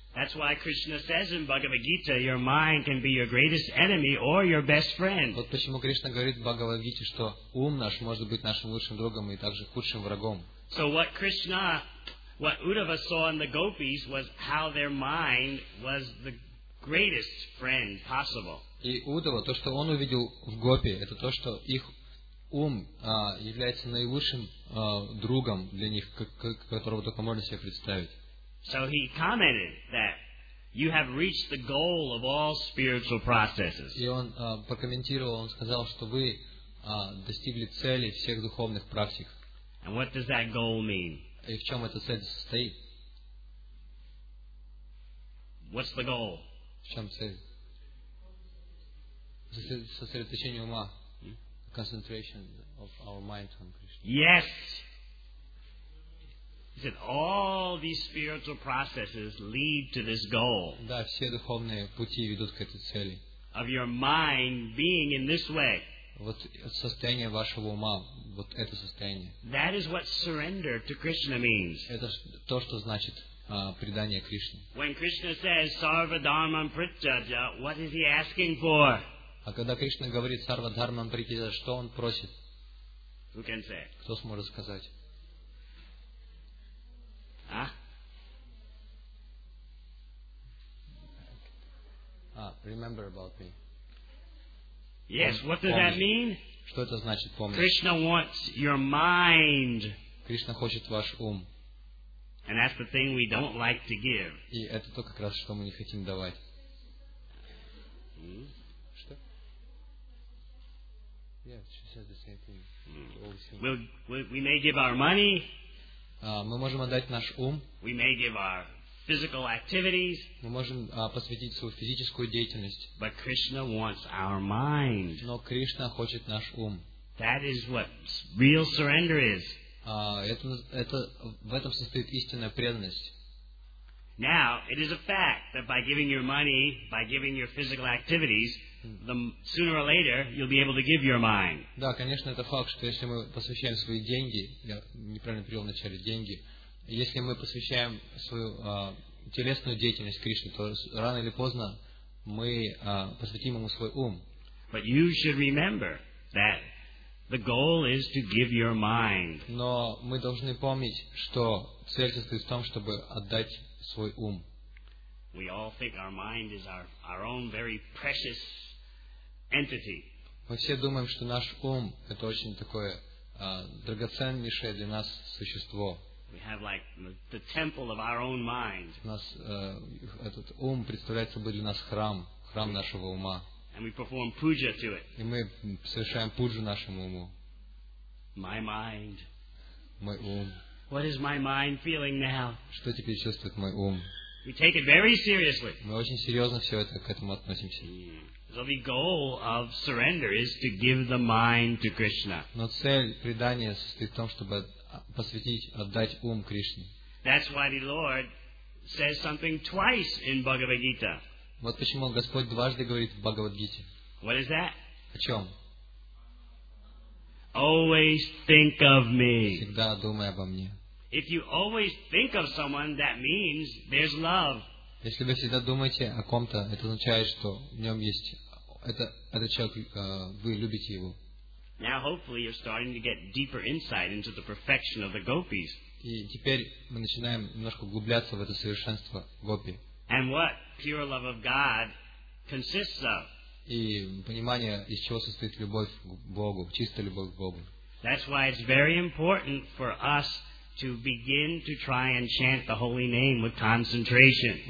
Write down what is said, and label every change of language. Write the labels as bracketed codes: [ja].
[en] That's why Krishna says in Bhagavad Gita, your mind can be your greatest enemy or your best friend. [ru] Вот почему Кришна говорит в Бхагавад Гите, что ум наш может быть нашим лучшим другом и также худшим врагом. [en] So what Krishna, what Uddhava saw in the gopis was how their mind was the greatest friend possible. [ru] И Уддхава, то, что он увидел в гопи, это то, что их ум является наилучшим другом для них, которого только можно себе представить. [en] So he commented that you have reached the goal of all spiritual processes. [ru] И он прокомментировал, он сказал, что вы достигли цели всех духовных практик. [en] And what does that goal mean? [ru] И в чем эта цель состоит? [en] What's the goal? [ru] В чем цель? Сосредоточение ума. [en] Concentration of our mind on Krishna. Yes! He said, all these spiritual processes lead to this goal. [ru] Да, все духовные пути ведут к этой цели. [en] Of your mind being in this way. [ru] Вот состояние вашего ума, вот это состояние. [en] That is what surrender to Krishna means. [ru] Это то, что значит предание Кришне. [en] When Krishna says, sarva dharmam prityaja, what is he asking for? [ru] А когда Кришна говорит sarva dharmam prityaja, что он просит? [en] Who can say? [ru] Кто сможет сказать? [en] Remember about me. Yes, what does that mean? [ru] Что это значит, помнить? [en] Krishna wants your mind. [ru] Кришна хочет ваш ум. [en] And that's the thing we don't like to give. [ru] И это то, как раз, что мы не хотим давать. Что? [en] Yes, she says the same thing. We may give our money. [ru] Мы можем отдать наш ум. [en] We may give our physical activities. [ru] Мы можем посвятить свою физическую деятельность. [en] But Krishna wants our mind. [ru] Но Кришна хочет наш ум. [en] That is what real surrender is. [ru] В этом состоит истинная преданность. [en] Now, it is a fact that by giving your money, by giving your physical activities, the sooner or later you'll be able to give your mind. [ru] Да, конечно, это факт, что если мы посвящаем свои деньги, я неправильно перевел в начале деньги, если мы посвящаем свою телесную деятельность Кришне, то рано или поздно мы посвятим ему свой ум. [en] But you should remember that the goal is to give your mind. [ru] Но мы должны помнить, что цель состоит в том, чтобы отдать свой ум. [en] We all think our mind is our own very precious entity. [ru] Мы все думаем, что наш ум это очень такое драгоценнейшее для нас существо. [en] We have like the temple of our own mind. [ru] У нас этот ум представляет собой для нас храм нашего ума. [en] And we perform puja to it. [ru] И мы совершаем пуджу нашему уму. [en] My mind. [ru] Мой ум. [en] What is my mind feeling now? [ru] Что теперь чувствует мой ум? [en] We take it very seriously. [ru] Мы очень серьезно все это к этому относимся. [en] So the goal of surrender is to give the mind to Krishna. [ru] Но цель предания состоит в том, чтобы посвятить, отдать ум Кришне. [en] That's why the Lord says something twice in Bhagavad Gita. [ru] Вот почему Господь дважды говорит в Бхагавад Гите. [en] What is that? [ru] О чем? [en] Always think of me. [ru] Всегда думай обо мне. [en] If you always think of someone, that means there's love. [ru] Если вы всегда думаете о ком-то, это означает, что в нем есть этот человек, вы любите его. [en] Now hopefully you're starting to get deeper insight into the perfection of the gopis. [ru] И теперь мы начинаем немножко углубляться в это совершенство гопи. [en] And what pure love of God consists of. [ru] И понимание, из чего состоит любовь к Богу, чистая любовь к Богу. [en] That's why it's very important for us to begin to try and chant the holy name with concentration.